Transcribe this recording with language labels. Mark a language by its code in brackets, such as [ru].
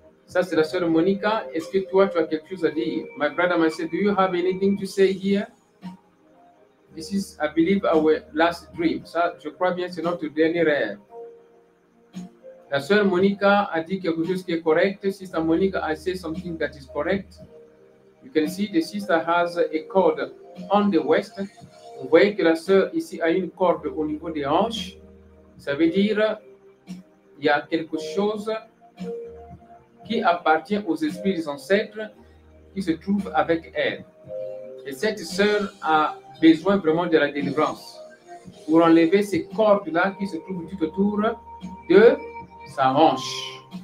[fr] Ça, c'est la sœur Monica. Est-ce que toi, tu as quelque chose à dire? [en] My brother, my sister, do you have anything to say here? This is, I believe, our last dream. [fr] Ça, je crois bien, c'est notre dernier rêve. La sœur Monica a dit quelque chose qui est correct. [en] Sister Monica, I say something that is correct. You can see the sister has a cord on the waist. [fr] Vous voyez que la sœur ici a une corde au niveau des hanches. Ça veut dire il y a quelque chose qui appartient aux esprits des ancêtres qui se trouve avec elle. Et cette sœur a besoin vraiment de la délivrance pour enlever ces cordes-là qui se trouvent tout autour de sa hanche.